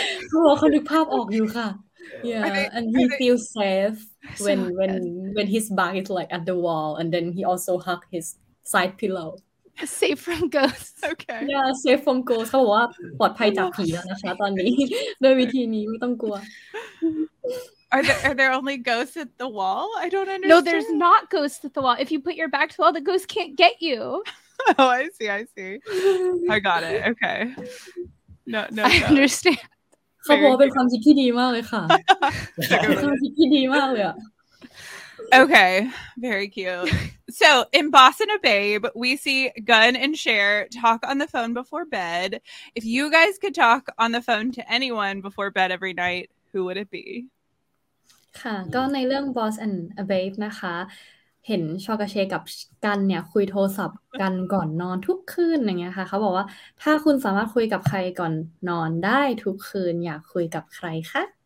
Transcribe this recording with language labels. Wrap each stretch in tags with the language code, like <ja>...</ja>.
<th>เขาบอกเขาดึกภาพออกอยู่ค่ะ</th> <en>Yeah and he feels safe when his back is like at the wall and then he also hug his side pillow safe from ghosts Okay Yeah safe from ghosts</en> <th>เขาบอกว่าปลอดภัยจากผีแล้วนะคะตอนนี้ด้วยวิธีนี้ไม่ต้องกลัว</th> <en>Are there only ghosts at the wall? I don't understand. No, there's not ghosts at the wall. If you put your back to the wall, the ghost can't get you. Oh, I see. I got it. Okay. No. I understand.</en> <th>เขาบอกว่าเป็นความคิดที่ดีมากเลยค่ะ ความคิดที่ดีมากเลยอ่ะ</th> <en>Okay. Very cute. So, in Boss and a Babe, we see Gunn and Cher talk on the phone before bed. If you guys could talk on the phone to anyone before bed every night, who would it be?</en> <th>ค่ะก็ในเรื่อง Boss and a Babe นะคะเห็นชอกาเชกับกันเนี่ยคุยโทรศัพท์กันก่อนนอนทุกคืนอย่างเงี้ยค่ะเขาบอกว่าถ้าคุณสามารถคุยกับใครก่อนนอนได้ทุกคืนอยากคุยกับใครคะ</th>